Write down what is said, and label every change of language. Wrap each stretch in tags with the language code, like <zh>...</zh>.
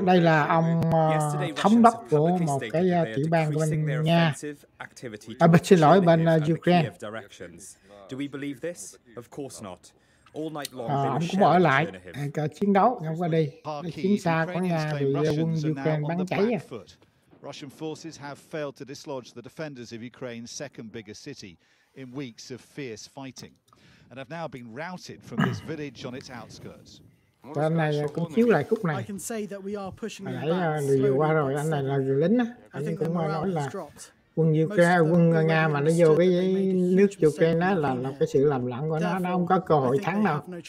<vi>Đây là ông thống đốc của một cái tiểu bang bên Nga, xin lỗi, bên Ukraine.</vi> <en>Do we believe this? Of course not.</en> <vi>Ông cũng ở lại chiến đấu, không qua đi. Chiến xa của Nga bị quân Ukraine bắn cháy.</vi> <en>Russian forces have failed to dislodge the defenders of Ukraine's second biggest city in weeks of fierce fighting, and have now been routed from this village on its outskirts.</en> <vi>Anh này cũng chiếu lại khúc này. Lấy người vừa qua rồi, anh này là người lính á. Anh cũng nói là quân Ukraine, quân Nga mà nó vô cái nước Ukraine đó là một cái sự lầm lẫn của nó không có cơ hội thắng đâu.</vi>